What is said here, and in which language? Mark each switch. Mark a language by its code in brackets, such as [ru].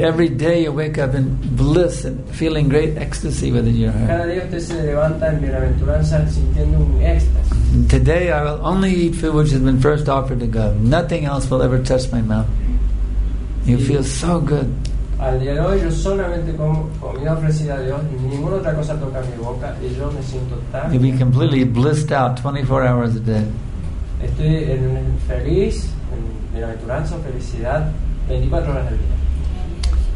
[en] Every day you wake up in bliss and feeling great ecstasy within your heart. [es] Cada día usted se levanta en bienaventuranza sintiendo un éxtasis. [en] And today I will only eat food which has been first offered to God. Nothing else will ever touch my mouth. You feel so good. [es] Al día de hoy yo solamente como comida ofrecida a Dios y ninguna otra cosa toca mi boca y yo me siento tan. [en] You'll be completely blissed out 24 hours a day. [es] Estoy en un feliz, en bienaventuranza, felicidad 24 horas al día.